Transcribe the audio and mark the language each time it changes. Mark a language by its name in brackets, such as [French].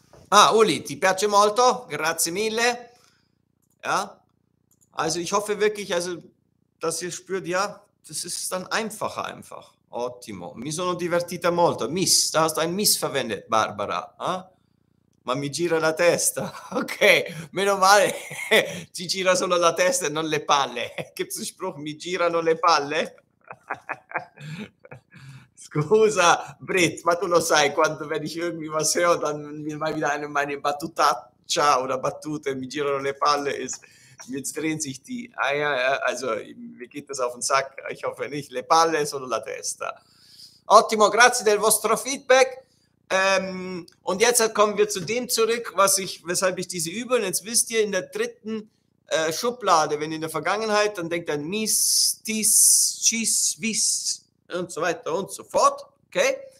[Italian] Ah, Uli, ti piace molto, grazie mille. [German] Ja, also ich hoffe wirklich, also, dass ihr spürt, ja, das ist dann einfacher einfach. [Italian] Ottimo. Mi sono divertita molto. [German] Miss, da hast du ein Miss verwendet, Barbara. [Italian] Eh? Ma mi gira la testa. Okay, meno male. Ti gira solo la testa e non le palle. [German] Gibt's einen Spruch, [Italian] mi girano le palle? Scusa, Brit, ma tu lo sai, quando [German] wenn ich irgendwie was höre, dann mir mal wieder eine meine Battutaccia oder Battute, [Italian] mi girano le palle, [German] ist... Jetzt drehen sich die Eier, also mir geht das auf den Sack. Ich hoffe nicht, [Italian] le palle, [German] sondern [Italian] la testa. Ottimo, grazie del vostro Feedback. [German] Und jetzt kommen wir zu dem zurück, weshalb ich diese Übung, jetzt wisst ihr, in der dritten Schublade, wenn in der Vergangenheit, dann denkt ihr mis, dies, cis, vis und so weiter und so fort. Okay?